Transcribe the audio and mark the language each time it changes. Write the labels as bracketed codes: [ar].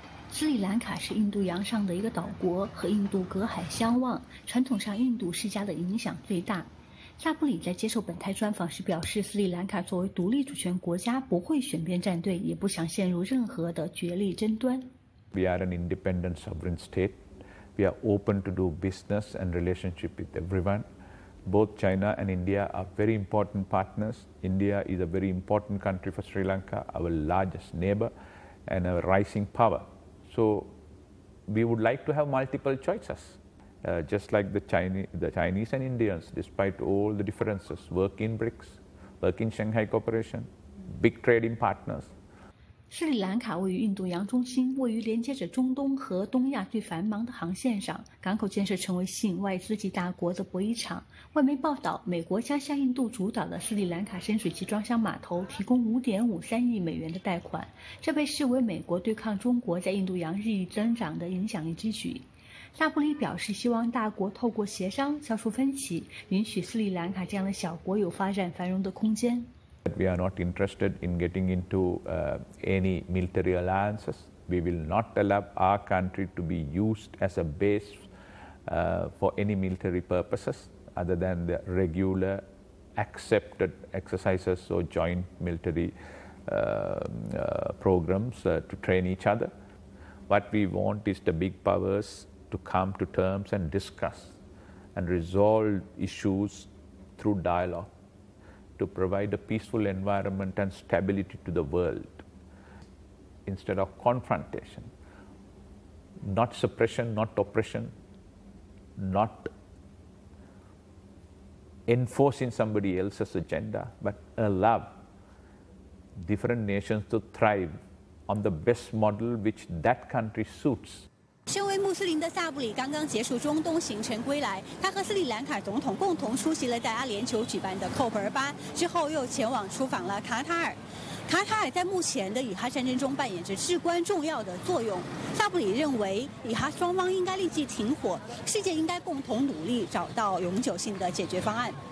[zh] 斯里兰卡是印度洋上的一个岛国，和印度隔海相望，传统上印度施加的影响最大。萨布里在接受本台专访时表示，斯里兰卡作为独立主权国家，不会选边站队，也不想陷入任何的角力争端。 [en] We are an independent sovereign state. We are open to do business and relationship with everyone. Both China and India are very important partners. India is a very important country for Sri Lanka, our largest neighbor and a rising power. So we would like to have multiple choices, just like the Chinese and Indians, despite all the differences, work in BRICS, work in Shanghai Cooperation, big trading partners. [zh] 斯里兰卡位于印度洋中心，位于连接着中东和东亚最繁忙的航线上，港口建设成为吸引外资及大国的博弈场。外媒报道，美国将向印度主导的斯里兰卡深水器装箱码头提供5.53亿美元的贷款，这被视为美国对抗中国在印度洋日益增长的影响力之举。萨布里表示，希望大国透过协商消除分歧，允许斯里兰卡这样的小国有发展繁荣的空间。 [en] We are not interested in getting into any military alliances. We will not allow our country to be used as a base for any military purposes other than the regular accepted exercises or joint military programs to train each other. What we want is the big powers to come to terms and discuss and resolve issues through dialogue. To provide a peaceful environment and stability to the world instead of confrontation, not suppression, not oppression, not enforcing somebody else's agenda, but allow different nations to thrive on the best model which that country suits. [zh] 身为穆斯林的萨布里刚刚结束中东行程归来，他和斯里兰卡总统共同出席了在阿联酋举办的 COP28， 之后又前往出访了卡塔尔。卡塔尔在目前的以哈战争中扮演着至关重要的作用。萨布里认为以哈双方应该立即停火，世界应该共同努力找到永久性的解决方案。